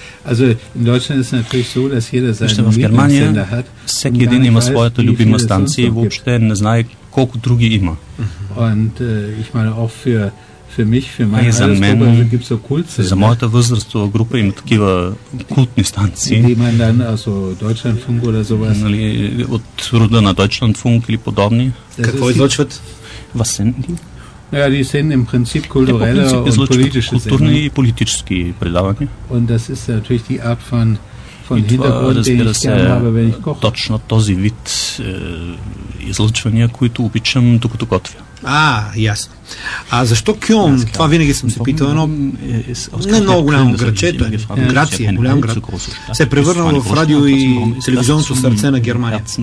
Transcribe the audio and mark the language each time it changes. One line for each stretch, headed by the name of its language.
German: Also in Deutschland ist natürlich so, dass jeder seine Lieblingssender hat.
Bulgarian: В Германия всеки един има своята любима станция и въобще не знае колко други има.
German: Und ich meine auch für mich, für meine Altersgruppe gibt es so Kultsender.
Bulgarian: За моята възрастова група има такива култни станции.
German: Die man dann also Deutschlandfunk oder sowas.
Bulgarian: Нали, от рода на Deutschlandfunk или подобни. Какво излъчват?
German: Was senden die? Ja, die sind im Prinzip kulturelle und politische
Bulgarian: културни и политически предавания.
German: Und das ist natürlich die Art von Hintergrund, den ich gerne habe, wenn ich koche.
Bulgarian: Точно този вид излъчвания, които обичам, докато готвя. А, ясно. А защо Кьон? Това винаги съм се питал. Едно не много голямо градче, то е Грация, голям град. Се е превърнал в радио и телевизионното сърце на Германия.